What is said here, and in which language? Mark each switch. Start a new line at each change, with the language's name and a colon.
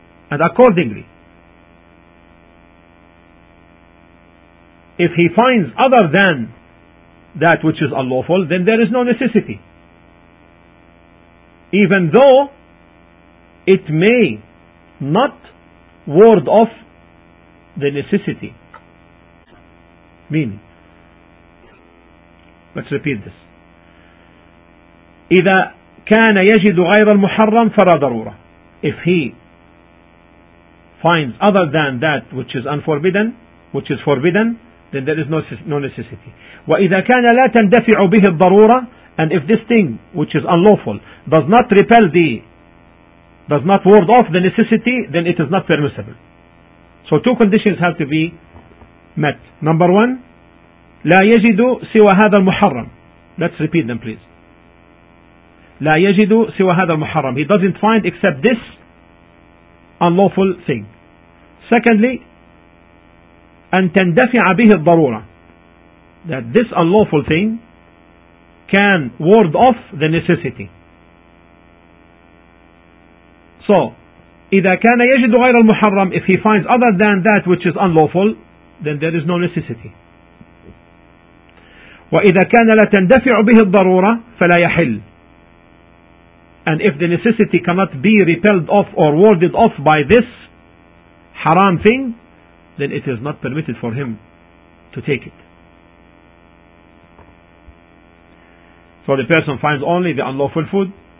English: And accordingly, if he finds other than that which is unlawful, then there is no necessity. Even though it may not ward off the necessity. Meaning, let's repeat this.
Arabic: إذا كان يجد غير المحرم فلا ضرورة.
English: If he finds other than that which is unforbidden, which is forbidden, then there is no necessity.
Arabic: وإذا كان لا تندفع به الضرورة,
English: and if this thing which is unlawful does not repel the, does not ward off the necessity, then it is not permissible. So two conditions have to be met. Number one,
Arabic: لا يجد سوى هذا المحرم.
English: Let's repeat them please.
Arabic: لا يجد سوى هذا المحرم.
English: He doesn't find except this unlawful thing. Secondly,
Arabic: أن تندفع به الضرورة.
English: That this unlawful thing can ward off the necessity. So,
Arabic: إذا كان يجد غير المحرم,
English: if he finds other than that which is unlawful, then there is no necessity.
Arabic: وإذا كان لا تندفع به الضرورة فلا يحل.
English: And if the necessity cannot be repelled off or warded off by this haram thing, then it is not permitted for him to take it. So the person finds only the unlawful food.